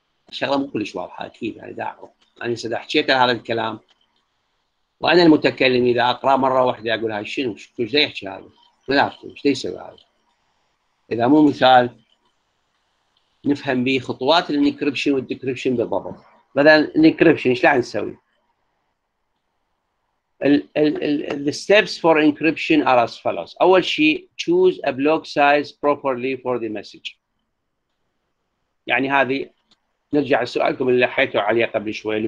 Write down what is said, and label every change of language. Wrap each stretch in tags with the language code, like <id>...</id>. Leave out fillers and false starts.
<ar>شغلة مو كلش واضحة أكيد يعني دعوة أنا سأحكيت هذا الكلام وأنا المتكلم إذا أقرأ مرة واحدة أقول هاي شنو شو زي يحكي هذا ولا أفهم شو يسوي هذا إذا مو مثال نفهم به خطوات الانكريبشن والديكريبشن بالضبط مثلا الانكريبشن إيش لازم نسوي</ar> <en>The steps for encryption are as follows.</en> <ar>أول شيء,</ar> <en>choose a block size properly for the message.</en> <ar>يعني هذه نرجع لسؤالكم اللي حيتوا عليه قبل شوي.</ar>